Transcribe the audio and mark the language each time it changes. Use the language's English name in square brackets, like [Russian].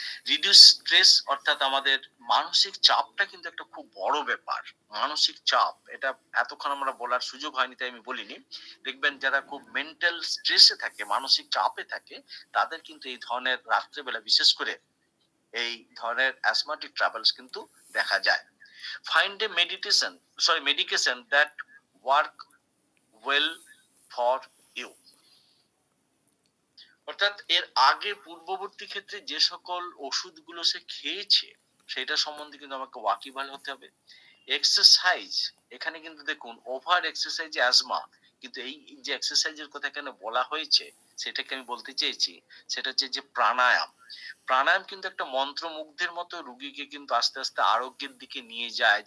[Bangla] Reduce stress, অর্থাৎ আমাদের মানসিক চাপটা কিন্তু একটা খুব বড় ব্যাপার, মানসিক চাপ, এটা এতক্ষণ আমরা বলার সুযোগ হয়নি তাই আমি বলিনি। দেখবেন যারা খুব মেন্টাল স্ট্রেসে থাকে, মানসিক চাপে থাকে, তাদের কিন্তু এই ধরনের রাত্রেবেলা বিশেষ করে এই ধরনের অ্যাসমাটিক ট্রাভেলস কিন্তু দেখা যায়। [English] Find a medication that work well for you. [Bangla] অর্থাৎ এর আগে পূর্ববর্তী ক্ষেত্রে যে সকল ওষুধ গুলো সে খেয়েছে সেটা সম্বন্ধে কিন্তু আমাকে ওয়াকিবহাল হতে হবে। এক্সারসাইজ, এখানে কিন্তু দেখুন ওভার এক্সারসাইজ অ্যাজমা, কিন্তু এই যে এক্সারসাইজের কথা এখানে বলা হয়েছে সেটাকে আমি বলতে চেয়েছি, সেটা হচ্ছে যে প্রাণায়াম কিন্তু একটা মন্ত্রমুগ্ধের মতো রোগীকে কিন্তু আস্তে আস্তে আরোগ্যের দিকে নিয়ে যায়।